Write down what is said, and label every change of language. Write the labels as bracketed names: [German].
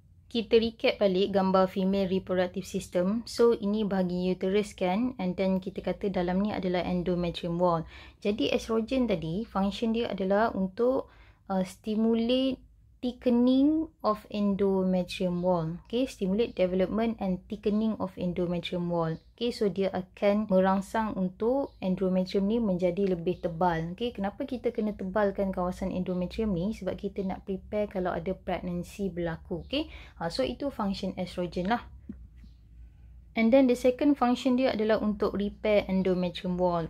[Malay] Kita recap balik gambar [English] female reproductive system. [Malay] So, ini bahagian uterus kan? [English] And then, [Malay] kita kata dalam ni adalah endometrium wall. Jadi, estrogen tadi, function dia adalah untuk stimulate [English] thickening of endometrium wall. Okay, stimulate development and thickening of endometrium wall. [Malay] Okay, so dia akan merangsang untuk endometrium ni menjadi lebih tebal. Okay, kenapa kita kena tebalkan kawasan endometrium ni? Sebab kita nak prepare kalau ada pregnancy berlaku. [English] Okay, so [Malay] itu [English] function estrogen lah. And then the second function [Malay] dia adalah untuk [English] repair endometrium wall.